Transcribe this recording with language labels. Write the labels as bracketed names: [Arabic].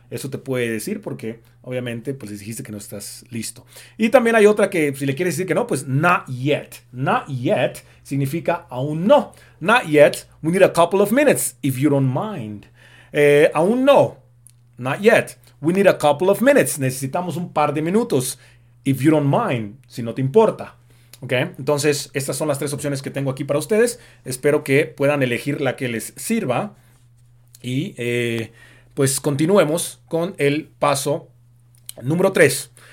[Spanish] Eso te puede decir porque, obviamente, pues dijiste que no estás listo. Y también hay otra que, si le quieres decir que no, pues, [English] not yet. Not yet [Spanish] significa aún no. [English] Not yet, we need a couple of minutes, if you don't mind. [Spanish] Aún no. [English] Not yet. We need a couple of minutes. [Spanish] Necesitamos un par de minutos. [English] If you don't mind. [Spanish] Si no te importa. Okay. Entonces, estas son las 3 opciones que tengo aquí para ustedes. Espero que puedan elegir la que les sirva. Y pues continuemos con el paso número 3.